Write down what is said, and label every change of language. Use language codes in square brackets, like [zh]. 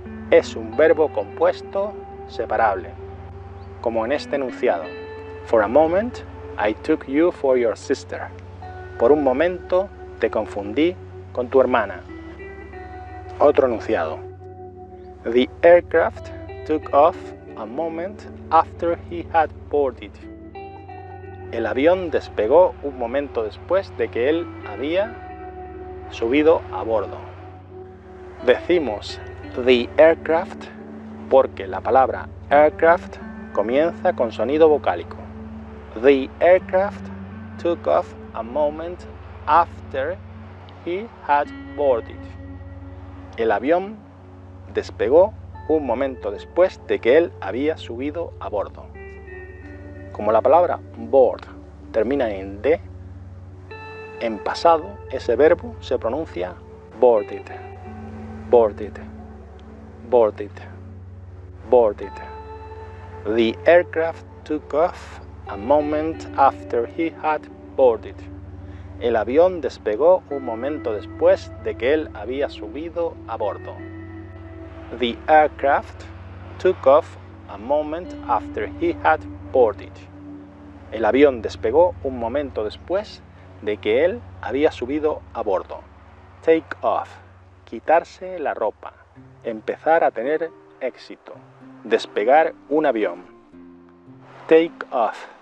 [es] Es un verbo compuesto separable, como en este enunciado. [en] For a moment, I took you for your sister. [es] Por un momento, te confundí con tu hermana. Otro enunciado. [en] The aircraft took off a moment after he had boarded. [es] El avión despegó un momento después de que él había subido a bordo. Decimos, [en] the aircraft [es] porque la palabra aircraft comienza con sonido vocálico. [en] The aircraft took off a moment after he had boarded. [es] El avión despegó un momento después de que él había subido a bordo. Como la palabra board termina en D, en pasado ese verbo se pronuncia boarded, boarded, boarded, boarded. [en] The aircraft took off a moment after he had boarded. [es] El avión despegó un momento después de que él había subido a bordo. [en] The aircraft took off a moment after he had boarded. [es] El avión despegó un momento después de que él había subido a bordo. [en] Take off. [es] Quitarse la ropa. Empezar a tener éxito. Despegar un avión. [en] Take off.